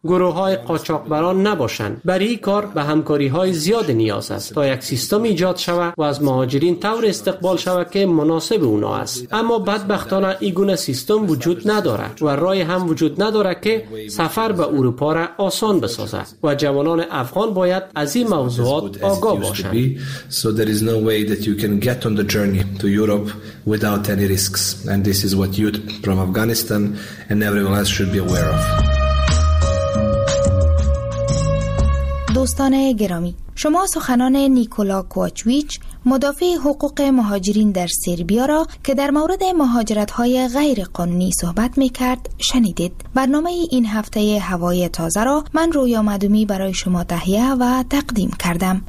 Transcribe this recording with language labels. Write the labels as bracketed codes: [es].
[fa] گروه‌های قاچاقبران نباشند. برای این کار به همکاری‌های زیاد نیاز است تا یک سیستم ایجاد شود و از مهاجرین طور استقبال شود که مناسب اونا است. اما بدبختانه این گونه سیستم وجود نداره و راه هم وجود نداره که سفر به اروپا را آسان بسازد و جوانان افغان باید از این موضوعات آگاه باشند. [en] So there is no way that you can get on the journey to Europe without any risks, and this is what youth from Afghanistan and everyone else should be aware of. [fa] دوستان گرامی، شما سخنان نیکولا کوچویچ، مدافع حقوق مهاجرین در سربیا را که در مورد مهاجرت‌های غیر قانونی صحبت می‌کرد، شنیدید. برنامه این هفته هوای تازه را من رویا مدومی برای شما تهیه و تقدیم کردم.